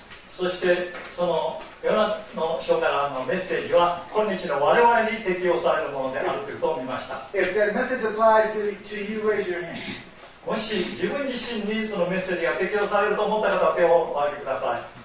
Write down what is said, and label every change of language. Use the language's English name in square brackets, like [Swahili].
[Japanese] そしてそのヨナの書からのメッセージは今日の我々に適用されるものであるということを見ました。 [English] If that message applies to you, raise your hand. [Japanese] もし自分自身にそのメッセージが適用されると思った方は手を挙げてください。